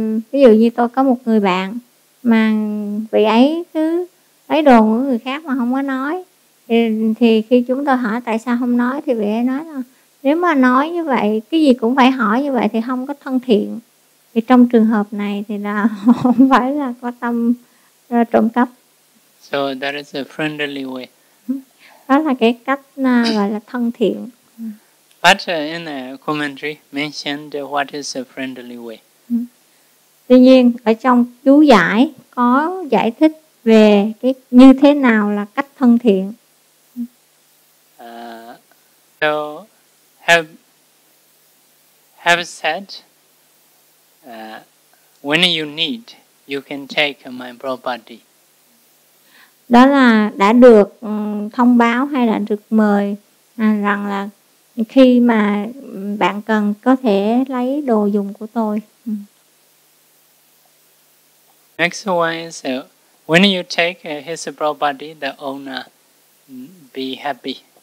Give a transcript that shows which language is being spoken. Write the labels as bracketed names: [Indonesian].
[Vietnamese] Ví dụ như tôi có một người bạn mà vị ấy cứ lấy đồ của người khác mà không có nói, thì khi chúng tôi hỏi tại sao không nói thì vị ấy nói là nếu mà nói như vậy, cái gì cũng phải hỏi như vậy thì không có thân thiện. Thì trong trường hợp này thì là không phải là có tâm trộm cắp. [English] So that is a friendly way. [Vietnamese] Đó là cái cách gọi là thân thiện. [English] But in the commentary mentioned what is a friendly way. [Vietnamese] Tuy nhiên ở trong chú giải có giải thích về cái như thế nào là cách thân thiện. [English] So have said when you need you can take my property. [Vietnamese] Đó là đã được thông báo hay là được mời rằng là khi mà bạn cần có thể lấy đồ dùng của tôi. [English] Next one is when you take his property, the owner be happy.